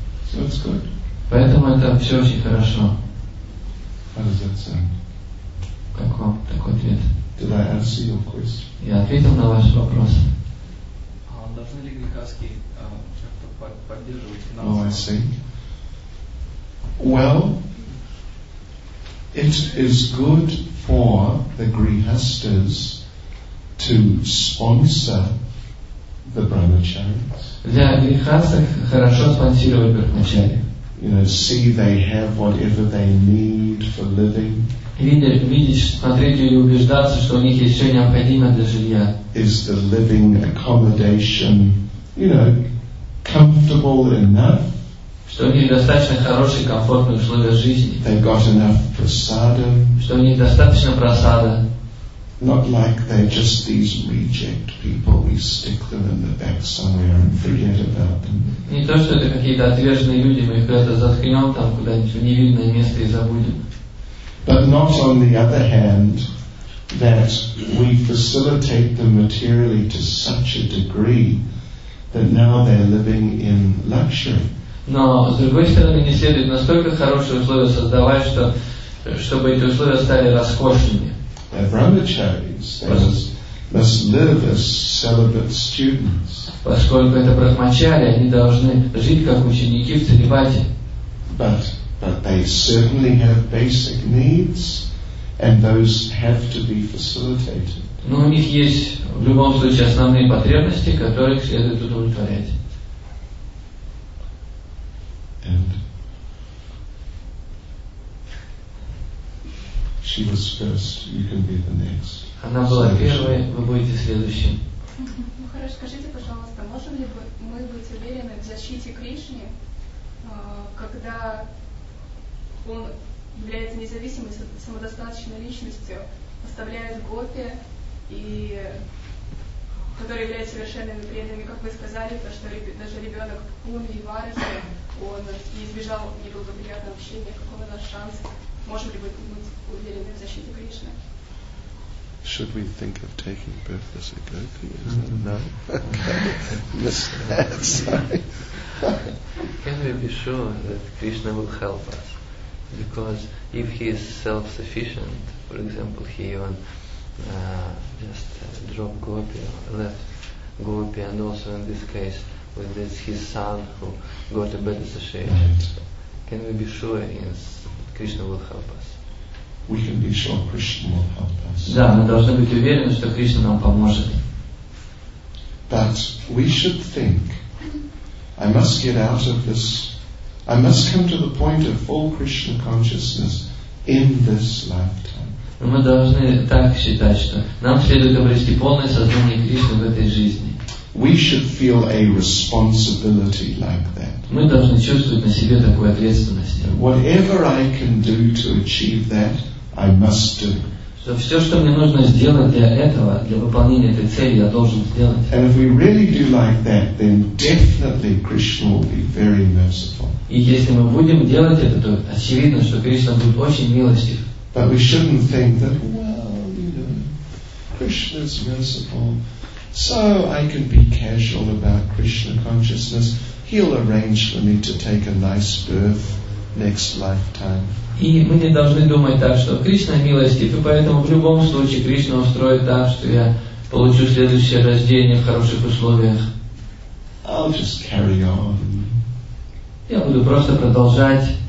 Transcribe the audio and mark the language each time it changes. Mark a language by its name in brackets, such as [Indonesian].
[English] So it's good. [Russian] Поэтому это все очень хорошо. [English] How does that sound? [Russian] Как вам такой ответ? [English] Did I answer your question? [Russian] Я ответил на ваш вопрос. Должны ли грехаски как-то поддерживать финансово? [English] Oh, I see. Well, it is good for the grihasthas to sponsor the brahmacharis. [Russian] Для грехасток хорошо спонсировать брахмачари. [English] You know, see they have whatever they need for living. [Russian] Видишь, смотреть и убеждаться, что у них есть все необходимое для жилья. [English] Is the living accommodation, you know, comfortable enough? [Russian] Что у них достаточно хорошие, комфортные условия жизни. [English] They got enough prasada. [Russian] Что у них достаточно прасада. [English] Not like they're just these reject people. We stick them in the back somewhere and forget about them. [Russian] Не то, что это какие-то отверженные люди, мы их куда-то заткнем там куда-нибудь в невидное место и забудем. [English] But not on the other hand that we facilitate them materially to such a degree that now they're living in luxury. [Russian] Но с другой стороны, не следует настолько хорошие условия создавать, что чтобы эти условия стали роскошными. [English] They're brahmacharis. They must live as celibate students. [Russian] Поскольку это брахмачари, они должны жить как ученики в целибате. [English] But they certainly have basic needs, and those have to be facilitated. [Russian] Но у них есть в любом случае основные потребности, которых следует удовлетворять. [English] And she was first. You can be the next. [Russian] Она была первой. Вы будете следующим. Ну хорошо, скажите, пожалуйста, можем ли мы быть уверены в защите Кришны, когда он является независимой самодостаточной личностью, оставляет гопи, и который является совершенными преданными, как вы сказали, то, что даже ребенок Пуни и Варахи, он не избежал неблагоприятного общения, какой у нас шанс, можем ли быть уверены в защите Кришны? [English] Should we think of taking birth as a gopi? Is that no? Okay. Missed that. Can we be sure that Krishna will help us? Because if he is self-sufficient, for example, he even just dropped gopi, left gopi, and also in this case with this his son who got a bad association. Right. Can we be sure that Krishna will help us? We can be sure Krishna will help us. [Russian] Да, мы должны быть уверены, что Кришна нам поможет. [English] But we should think, I must get out of this, I must come to the point of full Krishna consciousness in this lifetime. [Russian] Мы должны так считать, что нам следует обрести полное сознание Кришны в этой жизни. [English] We should feel a responsibility like that. [Russian] Мы должны чувствовать на себе такую ответственность. [English] Whatever I can do to achieve that, I must do. [Russian] Что все, что мне нужно сделать для этого, для выполнения этой цели, я должен сделать. [English] And if we really do like that, then definitely Krishna will be very merciful. [Russian] И если мы будем делать это, то очевидно, что Кришна будет очень милостив. [English] But we shouldn't think that, well, you know, Krishna is merciful, so I can be casual about Krishna consciousness. He'll arrange for me to take a nice birth next lifetime. [Russian] И мы не должны думать так, что Кришна милостив, и поэтому в любом случае Кришна устроит так, что я получу следующее рождение в хороших условиях. [English] I'll just carry on. [Russian] Я буду просто продолжать.